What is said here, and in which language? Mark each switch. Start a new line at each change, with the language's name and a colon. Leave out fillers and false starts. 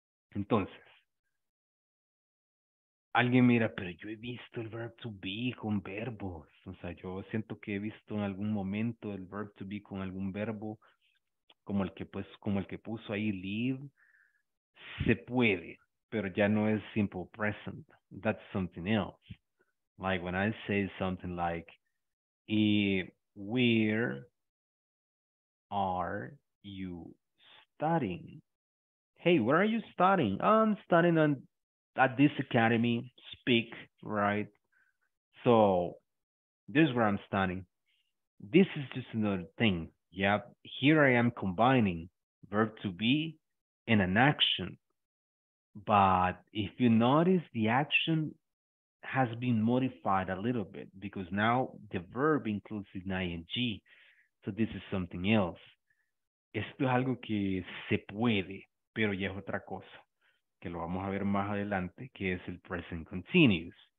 Spanish: Entonces, alguien mira, pero yo he visto el verb to be con verbos. O sea, yo siento que he visto en algún momento el verb to be con algún verbo, como el que puso ahí, leave. Se puede, pero ya no es simple present.
English: That's something else. Like when I say something like, where are you studying? Hey, where are you studying? I'm studying at this academy, speak, right? So this is where I'm studying. This is just another thing. Yep. Here I am combining verb to be and an action. But if you notice, the action has been modified a little bit because now the verb includes an ing. So this is something else.
Spanish: Esto es algo que se puede, pero ya es otra cosa, que lo vamos a ver más adelante, que es el present continuous.